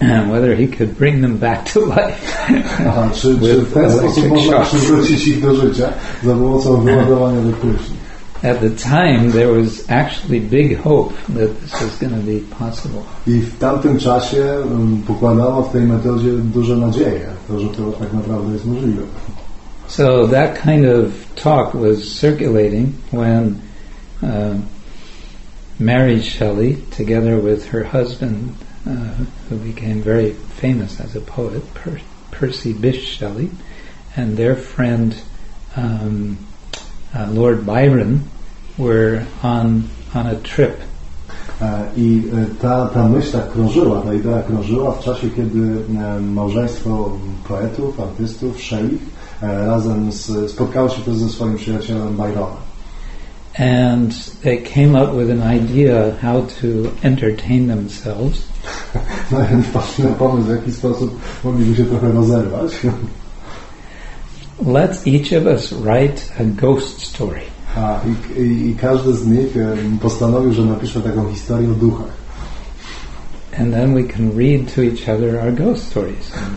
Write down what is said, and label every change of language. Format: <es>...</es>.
<en>Whether he could bring them back to life.</en> <pl>Aha, czy w ten sposób można przywrócić ich do życia za pomocą wyładowania elektryczności?</pl> <en>At the time, there was actually big hope that this was going to be possible.</en> <pl>I w tamtym czasie pokładano w tej metodzie duże nadzieje, to, że to tak naprawdę jest możliwe.</pl> <en>So that kind of talk was circulating when Mary Shelley, together with her husband, who became very famous as a poet, Percy Bysshe Shelley, and their friend Lord Byron, were on a trip.</en> <pl>I ta myśl tak krążyła, ta idea krążyła w czasie, kiedy małżeństwo poetów, artystów, Shelley, razem spotkało się też ze swoim przyjacielem Byronem.</pl> <en>And they came up with an idea how to entertain themselves.</en> <pl>No i wpadli na pomysł, w jaki sposób mogliby się trochę rozerwać.</pl> <en>Let each of us write a ghost story.</en> <pl>I każdy z nich postanowił, że napisze taką historię o duchach.</pl> <en>And then we can read to each other our ghost stories.</en>